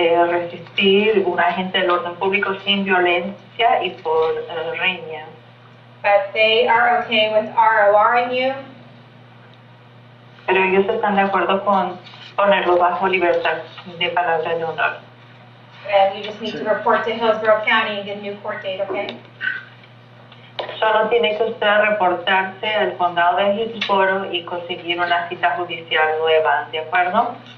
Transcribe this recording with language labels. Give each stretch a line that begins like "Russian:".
Spanish: Resistir un agente del orden público sin violencia y por riña.
English: But they are okay with RORing you.
Spanish: Pero ellos están de acuerdo con ponerlo bajo libertad de palabra de honor.
English: And you just need to report to Hillsborough County and get a new court date, okay?
Spanish: Solo tiene que usted reportarse al condado de Hillsborough y conseguir una cita judicial nueva, ¿de acuerdo?